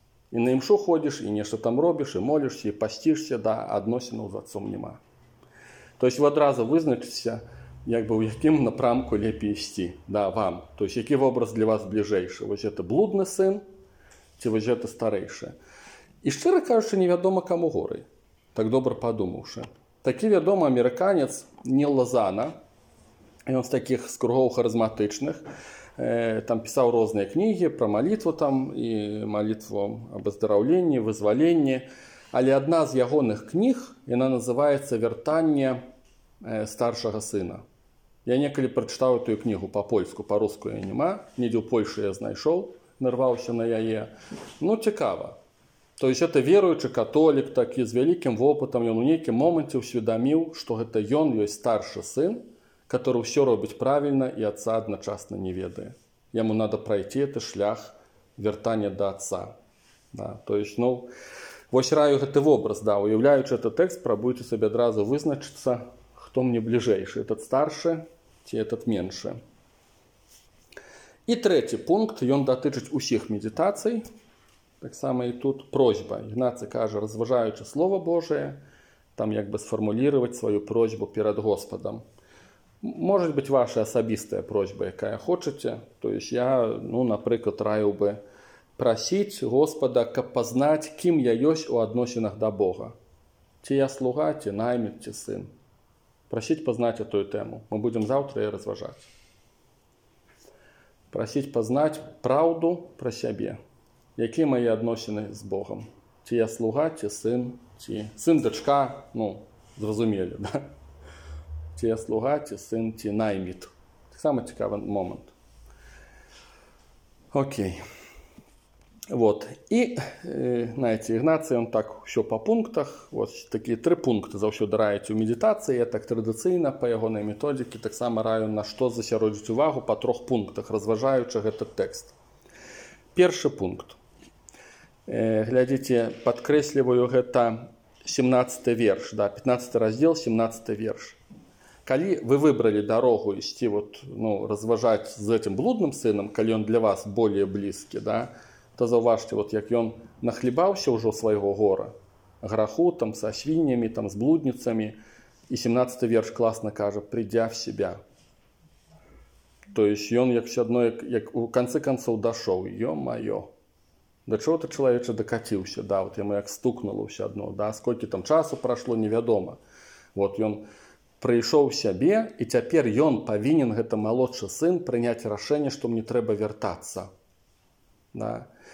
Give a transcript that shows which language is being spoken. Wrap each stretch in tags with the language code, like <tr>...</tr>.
<ru>И на имшу ходишь, и нечто там робишь, и молишься, и постишься, да, отношения с отцом нема. То есть вы одразу вызначишься, как бы в каким напрямку лепи идти, да, вам. То есть який образ для вас ближайший? Вот это блудный сын, чи вот это старейший?</ru> <uk>И щиро кажучи, невідомо кому гори, так добре подумавши. Такий відомий американець Ніл Лозана, і він з таких з кругов харизматичних, там писав різні книги про молитву там, і молитву об оздоровленні, визволенні. Але одна з ягоних книг, вона називається «Вертання старшого сина». Я неколі прочитав цю книгу по-польську, по-русську я нема. Ніде в Польщі я знайшов, нарвався на яє. Ну, цікаво.</uk> <ru>То есть это верующий католик, так и с великим опытом, он в некий момент усведомил, что это он есть старший сын, который все робит правильно и отца одночасно не ведает. Ему надо пройти этот шлях вертания до отца. Да, то есть, ну, вот раю это образ, да, уявляючи этот текст, пробуйте себе сразу вызначиться, кто мне ближайший, этот старший, те этот меньше. И третий пункт, он дотычит усих медитаций.</ru> <uk>Так само і тут просьба. Ігнацій каже, розважаючи Слово Боже, там якби сформулювати свою просьбу перед Господом. Може бути ваша особиста просьба, яка хочете. Тобто я, ну, наприклад, раю би просити Господа, щоб познати, ким я є у відносинах до Бога. Чи я слуга, чи наймит, чи син. Просити познати цю тему. Ми будемо завтра її розважати. Просити познати правду про себе. Які мої відносини з Богом? Чи я слуга, чи син, чи син, дочка, ну, зрозуміло, да? Чи я слуга, чи син, чи найміт. Так само цікавий момент. Окей. Вот. І, знаєте, Ігнацій, він так, все по пунктах. Ось такі три пункти завжди раюють у медитації. Я так традиційно, по його методиці, так само раю, на що зосередити увагу по трьох пунктах, розважаючи цей текст. Перший пункт.</uk> <ru>Глядите, подкресливаю, это 17 верш, да, 15 раздел, 17 верш. Коли вы выбрали дорогу идти, вот, ну, разважать с этим блудным сыном, коли он для вас более близкий, да, то зауважьте, вот, как он нахлебался уже своего гора, граху, там, со свиньями, там, с блудницами, и 17 верш классно кажет, придя в себя. То есть он, как все одно, как в конце концов дошел, ё-моё.</ru> <uk>До чого ти чоловіче докатився, да, от йому як стукнуло все одно, да, скільки там часу пройшло, невідомо. От він прийшов в себе, і тепер він повинен, гэта молодший син, прийняти рішення, що мені треба вертатися. Да.</uk>